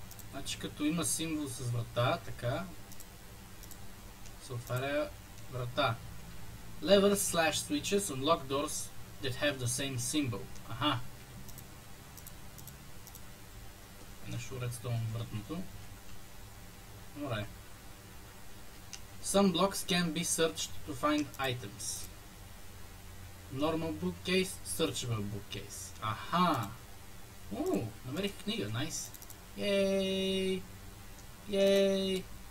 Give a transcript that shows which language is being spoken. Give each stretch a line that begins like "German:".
Bulgarian: Значи като има символ с врата, така. Се отваря врата.
English: Levers slash switches unlock doors that have the same symbol. Аха.
Bulgarian: Нещо редстоун вратното.
English: Добре. Some blocks can be searched to find items. Normal bookcase, searchable bookcase. Аха.
Bulgarian: Уу, намерих книга, найс. Йей.